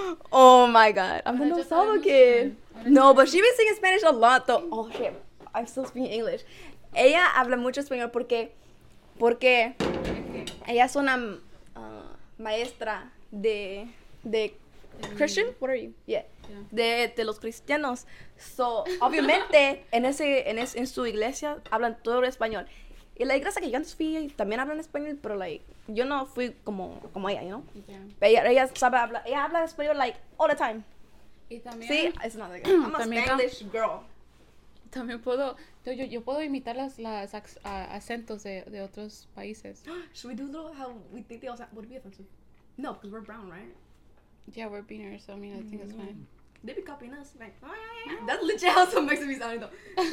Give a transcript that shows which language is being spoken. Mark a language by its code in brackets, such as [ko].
[en] Oh my god, I'm the no solo kid. No, but she's been speaking Spanish a lot though. Oh shit, I'm still speaking English. [es] Ella habla mucho español porque ella es una maestra de Christian. [en] What are you? Yeah. [es] De los cristianos. So obviamente en su iglesia hablan todo el español. Y la iglesia que yo antes fui también hablan español, pero like yo no fui como ella, [en] you know? Yeah. [es] Ella sabe hablar. Ella habla español, [en] like, all the time. [es] Y también... [en] See? It's not like that. I'm a Spanish girl. [es] También puedo... Yo puedo imitar las acentos de otros países. [en] Should we do a little how we think they all sound? Would it be offensive? No, because we're brown, right? Yeah, we're beaners, so I mean, I think that's fine. They'd be copying us. Like, that's literally how some Mexicans sound, though.